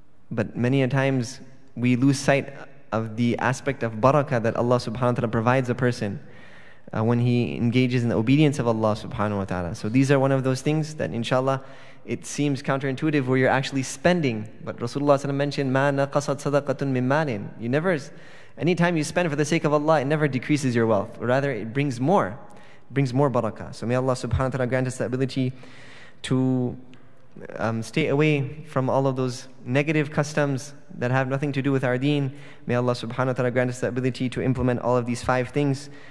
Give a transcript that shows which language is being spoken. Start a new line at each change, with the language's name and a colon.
English: But many a times we lose sight of the aspect of barakah that Allah subhanahu wa ta'ala provides a person when he engages in the obedience of Allah subhanahu wa ta'ala. So these are one of those things that, inshallah, it seems counterintuitive, where you're actually spending. But Rasulullah ﷺ mentioned,
Arabic: مَا نَقَصَتْ صَدَقَةٌ مِّن مَالٍ.
English: You never, anytime you spend for the sake of Allah, it never decreases your wealth. Rather, it brings more. It brings more barakah. So may Allah subhanahu wa ta'ala grant us the ability to stay away from all of those negative customs that have nothing to do with our deen. May Allah subhanahu wa ta'ala grant us the ability to implement all of these five things.